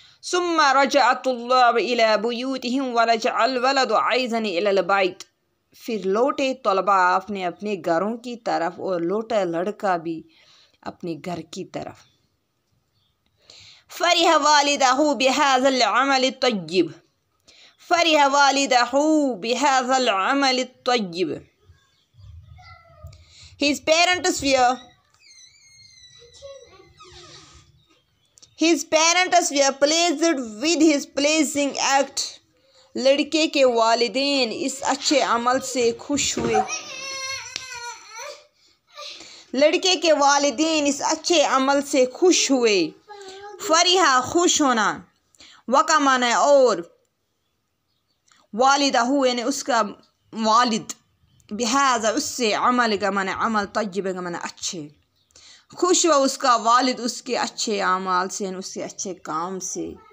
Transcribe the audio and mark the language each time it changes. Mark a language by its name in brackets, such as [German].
[Arabic] ثم رجع الطلاب الى بيوتهم ورجع الولد عائزن الى البيت. [Urdu] پھر لوٹے طلبہ اپنے اپنے گھروں کی طرف اور لوٹا لڑکا بھی اپنے گھر کی طرف. [Arabic] فرح والدہ بهذا العمل الطیب, فرح والدہ بهذا العمل الطیب. [English] His parents were pleased with his pleasing act. [Urdu] لڑکے کے والدین اس اچھے عمل سے خوش ہوئے. لڑکے کے والدین اس اچھے عمل سے خوش ہوئے. فریحا خوش ہونا, وکا معنی اور, والدہ ہو یعنی اس کا والد, بحاظ اس سے, عمل کا معنی عمل, طیب کا معنی اچھے, خوش ہوا اس کا والد اس کے اچھے اعمال سے یعنی اس کے اچھے کام سے.